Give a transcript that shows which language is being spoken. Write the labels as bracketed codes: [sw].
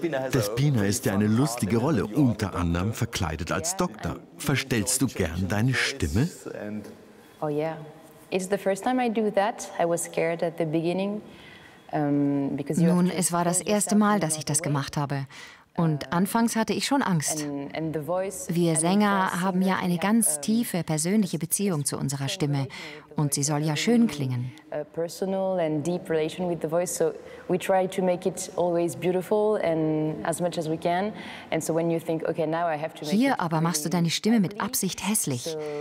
[de] Das Biener ist ja eine lustige Rolle, unter anderem verkleidet als Doktor. Verstellst du gern deine Stimme? [en] Oh yeah. It's the first time I do that. I was scared at the beginning. [de] Nun, es war das erste Mal, dass ich das gemacht habe. Und anfangs hatte ich schon Angst. Wir Sänger haben ja eine ganz tiefe persönliche Beziehung zu unserer Stimme. Und sie soll ja schön klingen. Hier aber machst du deine Stimme mit Absicht hässlich.